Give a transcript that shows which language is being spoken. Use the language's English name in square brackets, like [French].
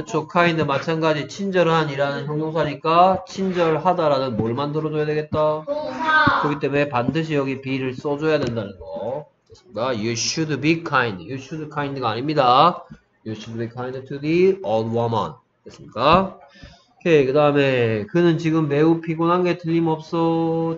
[Korean] kind 마찬가지 친절한이라는 형용사니까 친절하다라는 뭘 만들어줘야 되겠다. 동사. 그렇기 때문에 반드시 여기 be를 써줘야 된다는 거. 그러니까 [English] you should be kind. you should kind가 [Korean] 아닙니다. [English] you should be kind to the old woman. [Korean] 됐습니까? 오케이. 그 다음에 그는 지금 매우 피곤한 게 틀림없어.